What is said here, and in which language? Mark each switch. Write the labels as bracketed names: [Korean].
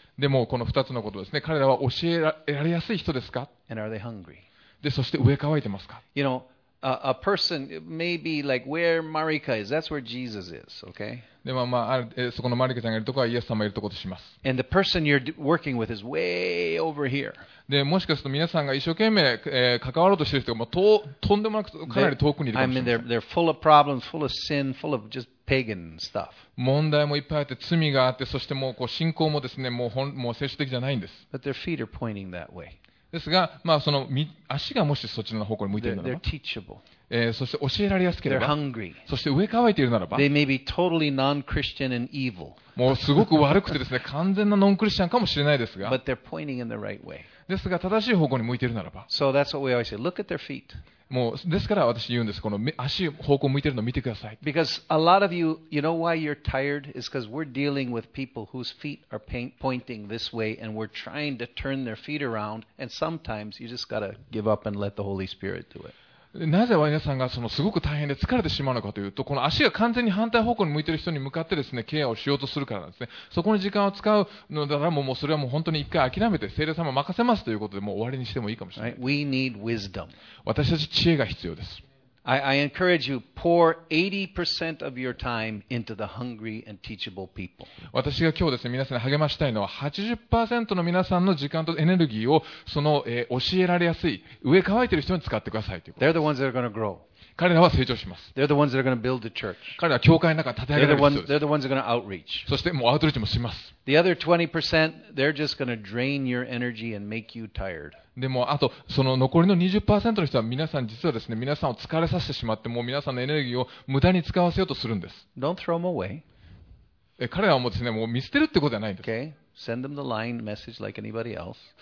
[Japanese] でもこの2つのことですね、彼らは教えられやすい人ですか? [English] And are they hungry? [Japanese] で、そして飢え渇いてますか? [English] You know, a person, maybe like where Marika is, that's where Jesus is, okay? [Japanese] でもまあ、そこのマリカちゃんがいるところはイエス様がいるところとします。 [English] And the person you're working with is way over here. [Japanese] で、もしかすると皆さんが一生懸命、関わろうとしている人が、まあ、とんでもなくかなり遠くにいるかもしれません。 [English] I mean, they're full of problems, full of sin, full of just pagan stuff. [Japanese] 問題もいっぱいあって、罪があって、そしてもうこう信仰もですね、もう接種的じゃないんです。 [English] But their feet are pointing that way. [Japanese] ですが、まあ、その足がもしそちらの方向に向いているならば。 [English] They're teachable. [Japanese] そして教えられやすければ、そして飢え渇いているならば、 [English] They may be totally non-Christian and evil. [Japanese] もうすごく悪くてですね、完全なノンクリスチャンかもしれないですが、 [English] But they're pointing in the right way. [Japanese] ですが正しい方向に向いているならば、 [English] So that's what we always say. Look at their feet. [Japanese] もうですから私言うんです、この足方向向いているのを見てください。 [English] Because a lot of you, you know why you're tired? It's because we're dealing with people whose feet are pointing this way, and we're trying to turn their feet around. And sometimes you just gotta give up and let the Holy Spirit do it. [Japanese] なぜ皆さんがそのすごく大変で疲れてしまうのかというと、この足が完全に反対方向に向いている人に向かってですね、ケアをしようとするからなんですね。そこに時間を使うのだから、もうそれはもう本当に一回諦めて、聖霊様任せますということで、もう終わりにしてもいいかもしれない。 [English] We need wisdom. [Japanese] 私たち知恵が必要です。 [English] I encourage you, pour 80% of your time into the hungry and teachable people. [Japanese] 私が今日ですね、皆さんに励ましたいのは、80% の皆さんの時間とエネルギーを、その、教えられやすい、植え替えている人に使ってくださいということです。 [English] They're the ones that are going to grow. [Japanese] 彼らは成長します。 [English] They're the ones that are going to build the church. [Japanese] 彼らは教会の中に立て上げられる人です。 [English] They're the ones that are going to outreach. [Japanese] そしてもうアウトリーチもします。 [English] The other 20%, they're just going to drain your energy and make you tired. [Japanese] でもあとその残りの 20% の人は皆さん実はですね、皆さんを疲れさせてしまって、もう皆さんのエネルギーを無駄に使わせようとするんです。 [English] Don't throw them away. [Japanese] 彼らはもうですね、もう見捨てるってことじゃないんです。 [English] Okay. Send them the line message like anybody else.